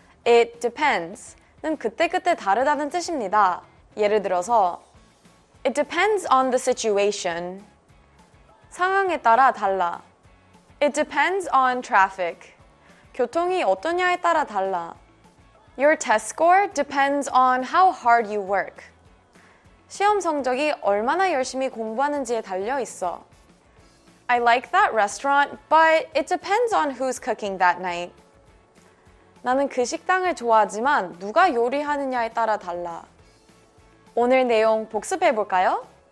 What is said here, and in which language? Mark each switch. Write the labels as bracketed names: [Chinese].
[English] It depends [Korean] 는 그때그때 다르다는 뜻입니다. 예를 들어서 [English] It depends on the situation. [Korean] 상황에 따라 달라. [English] It depends on traffic. [Korean] 교통이 어떠냐에 따라 달라. [English] Your test score depends on how hard you work. [Korean] 시험 성적이 얼마나 열심히 공부하는지에 달려 있어. [English] I like that restaurant, but it depends on who's cooking that night. [Korean] 나는 그 식당을 좋아하지만 누가 요리하느냐에 따라 달라. 오늘 내용 복습해 볼까요?